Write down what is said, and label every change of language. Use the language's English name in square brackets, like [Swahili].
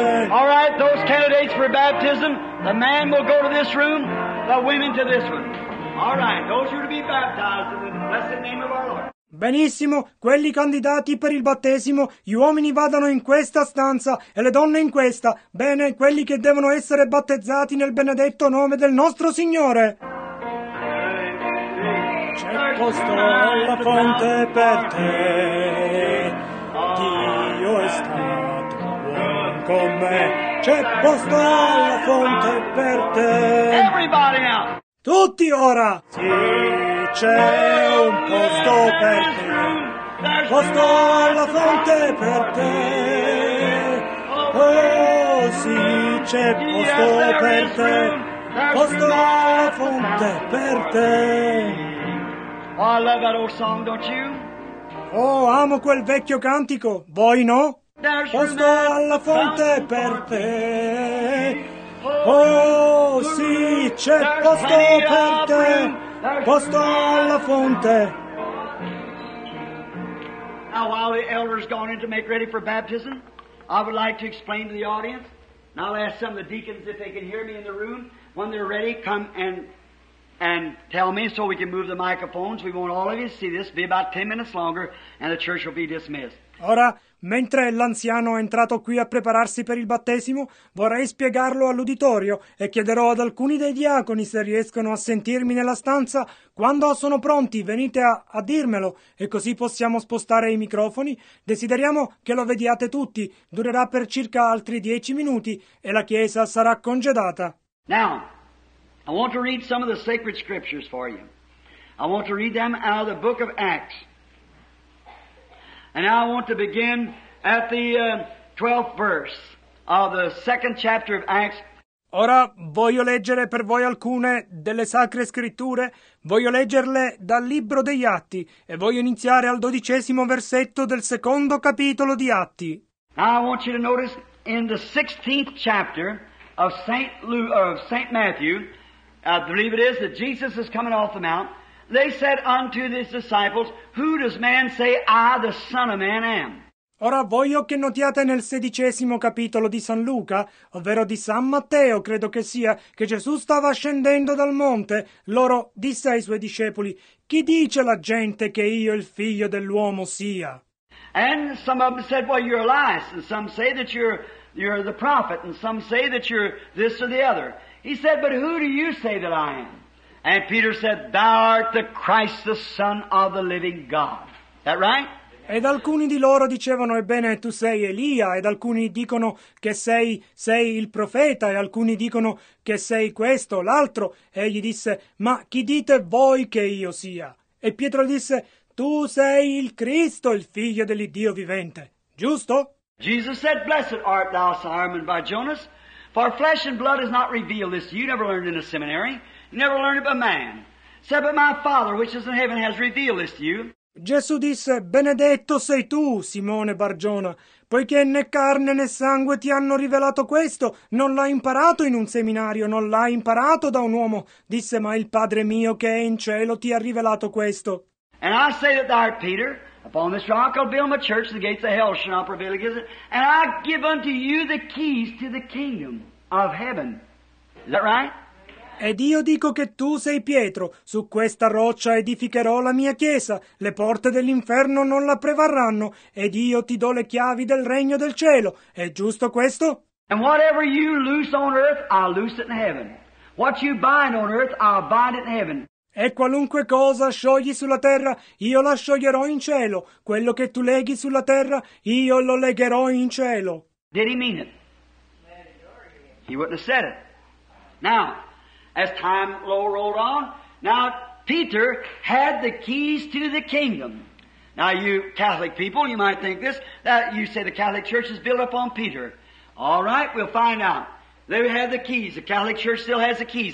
[English] All right, those candidates for baptism, the man will go to this room, the women to this one. All right, those are to be baptized in the blessed name of our Lord. [Italian] Benissimo, quelli candidati per il battesimo, gli uomini vadano in questa stanza e le donne in questa. Bene, quelli che devono essere battezzati nel benedetto nome del nostro Signore. C'è posto alla fonte per te. Dio è stato buon con me. C'è posto alla fonte per te. [English] Everybody now! [Italian] Tutti ora! Sì, c'è un posto per te. Posto alla fonte per te. Oh, sì, c'è posto per te. Posto alla fonte per te. [English] Oh, I love that old song, don't you? [Italian] Oh, amo quel vecchio cantico. Voi no? Posto alla fonte per te. Oh, sì, c'è posto per te, posto alla fonte. [English] Now, while the elders gone in to make ready for baptism, I would like to explain to the audience, and I'll ask some of the deacons if they can hear me in the room. When they're ready, come and tell me so we can move the microphones. We want all of you to see this. Be about 10 minutes longer, and the church will be dismissed. [Italian] Ora, mentre l'anziano è entrato qui a prepararsi per il battesimo, vorrei spiegarlo all'uditorio e chiederò ad alcuni dei diaconi se riescono a sentirmi nella stanza. Quando sono pronti, venite a dirmelo e così possiamo spostare i microfoni. Desideriamo che lo vediate tutti. Durerà per circa altri 10 minuti e la chiesa sarà congedata. [English] Now, I want to read some of the sacred scriptures for you. I want to read them out of the book of Acts. And now I want to begin at the 12th verse of the second chapter of Acts. [Italian] Ora voglio leggere per voi alcune delle sacre scritture. Voglio leggerle dal libro degli Atti e voglio iniziare al 12° versetto del secondo capitolo di Atti. [English] Now I want you to notice in the 16th chapter of St. Matthew, I believe it is, that Jesus is coming off the mount. They said unto his disciples, Who does man say I, the Son of Man, am? [Italian] Ora voglio che notiate nel 16° capitolo di San Luca, ovvero di San Matteo, credo che sia, che Gesù stava scendendo dal monte. Loro disse ai suoi discepoli, Chi dice la gente che io il figlio dell'uomo sia? [English] And some of them said, Well, you're Elias. And some say that you're the prophet. And some say that you're this or the other. He said, But who do you say that I am? And Peter said, Thou art the Christ, the Son of the living God. That right? [Italian] Ed alcuni di loro dicevano, Ebbene, tu sei Elia, ed alcuni dicono che sei il profeta, e alcuni dicono che sei questo, l'altro. E gli disse, Ma chi dite voi che io sia? E Pietro disse, Tu sei il Cristo, il figlio dell'Iddio vivente. Giusto? [English] Jesus said, Blessed art thou, Simon by Jonas, for flesh and blood has not revealed this. You never learned in a seminary. Never learned it but man. Said, but my Father which is in heaven has revealed this to you. [Italian] Gesù disse, Benedetto sei tu, Simone Bargiona, poiché né carne né sangue ti hanno rivelato questo. Non l'hai imparato in un seminario, non l'hai imparato da un uomo. Disse, ma il Padre mio che è in cielo ti ha rivelato questo. [English] And I say that thou art Peter, upon this rock I'll build my church, the gates of hell shall not prevail against it. And I give unto you the keys to the kingdom of heaven. Is that right? [Italian] Ed io dico che tu sei Pietro, su questa roccia edificherò la mia chiesa, le porte dell'inferno non la prevarranno, ed io ti do le chiavi del regno del cielo. È giusto questo? [English] And whatever you loose on earth, I'll loose it in heaven. What you bind on earth, I'll bind it in heaven. [Italian] E qualunque cosa sciogli sulla terra, io la scioglierò in cielo. Quello che tu leghi sulla terra, io lo legherò in cielo. [English] Did he mean it? He wouldn't have said it. Now, as time rolled on, now Peter had the keys to the kingdom. Now you Catholic people, you might think this, that you say the Catholic Church is built up on Peter. All right, we'll find out. They had the keys. The Catholic Church still has the keys.